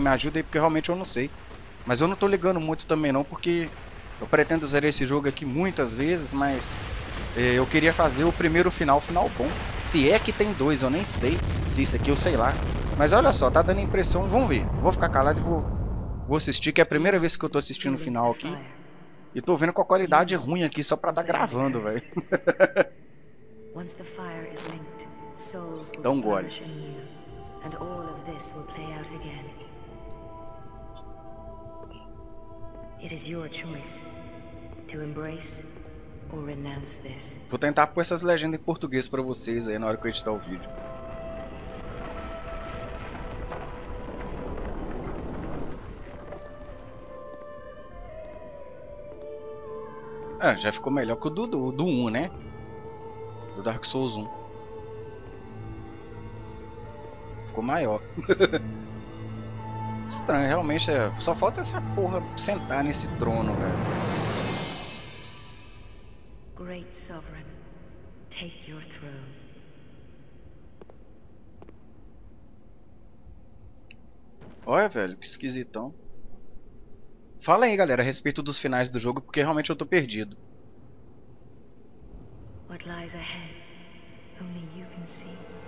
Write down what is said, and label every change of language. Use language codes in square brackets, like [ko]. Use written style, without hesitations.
[pt] Me ajuda aí, porque realmente eu não sei. Mas eu não tô ligando muito também, não, porque eu pretendo zerar esse jogo aqui muitas vezes, mas eu queria fazer o primeiro final bom. Se é que tem dois, eu nem sei. Se isso aqui eu sei lá. Mas olha só, tá dando impressão. Vamos ver. Vou ficar calado e vou assistir, que é a primeira vez que eu tô assistindo o final aqui. E tô vendo com a qualidade ruim aqui, só pra tá gravando, velho. [en] Once the fire is linked, souls will flourish anew, and all of this will play out again. It is your choice to embrace or renounce this. [pt] Vou tentar pôr essas legendas em português para vocês aí na hora que eu editar o vídeo. Ah, já ficou melhor que o do 1, né? Do Dark Souls 1. Ficou maior. Estranho, realmente. Só falta essa porra sentar nesse trono, velho. [en] Great Sovereign, take your throne. [pt] Olha, velho, que esquisitão. Fala aí, galera, a respeito dos finais do jogo, porque realmente eu tô perdido. [en] What lies ahead, only you can see.